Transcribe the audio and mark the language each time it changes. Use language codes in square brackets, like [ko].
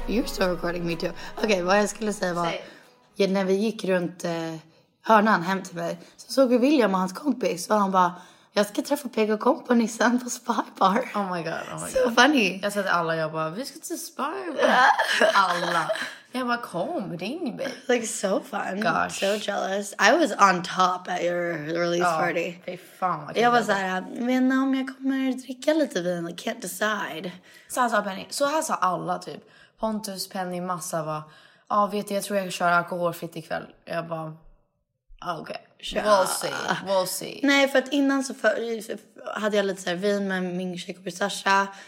[en] You're still recording me too. Okay, what I was gonna say about. Say it. [sv] när vi gick runt hörnan hem till mig. Så såg vi William och hans kompis. Och han bara, jag ska träffa Peg och kompani sen på Spy Bar. [en] Oh my god, so funny. [sv] Jag sa till alla, jag bara, vi ska till Spy Bar. Alla. Jag bara, kom, ring mig. [en] Like, so fun. Gosh. So jealous. I was on top at your release party. [sv] Fy fan. Jag var såhär, men om jag kommer dricka lite vin, [en] I can't decide. [sv] Så här sa Penny. Så här sa alla typ. Pontus, Penny, massa var, vet du, jag tror jag kör alkoholfritt ikväll. Jag bara, okej. [en] Okay. We'll see. [sv] Nej, för att innan så hade jag lite så här vin med min tjej och Sasha.